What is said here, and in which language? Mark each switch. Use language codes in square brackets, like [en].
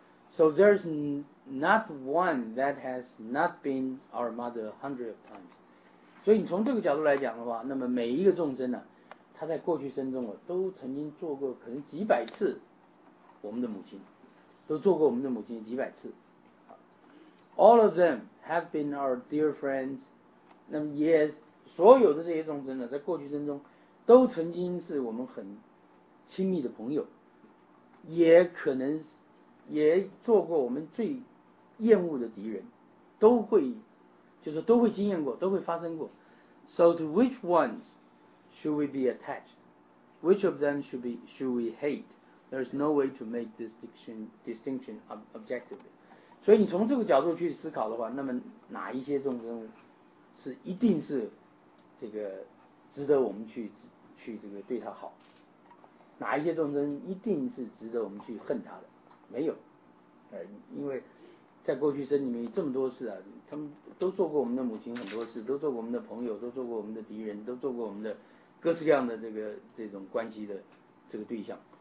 [en] So there's not one that has not been our mother hundred of times。 [zh] 所以你从这个角度来讲的话，那么每一个众生呢，他在过去生中啊，都曾经做过可能几百次我们的母亲，都做过我们的母亲几百次。 [en] All of them have been our dear friends。 [zh] 那么也所有的这些众生呢，在过去生中都曾经是我们很亲密的朋友，也可能也做过我们最厌恶的敌人，都会就是都会经验过，都会发生过。 [en] So to which ones should we be attached? Which of them should we hate? There's no way to make this distinction objectively. [zh] 所以你从这个角度去思考的话，那么哪一些众生是一定是这个值得我们去这个对他好，哪一些众生一定是值得我们去恨他的？没有，因为在过去生里面这么多事啊，他们都做过我们的母亲很多事，都做过我们的朋友，都做过我们的敌人，都做过我们的各式各样的这种关系的这个对象。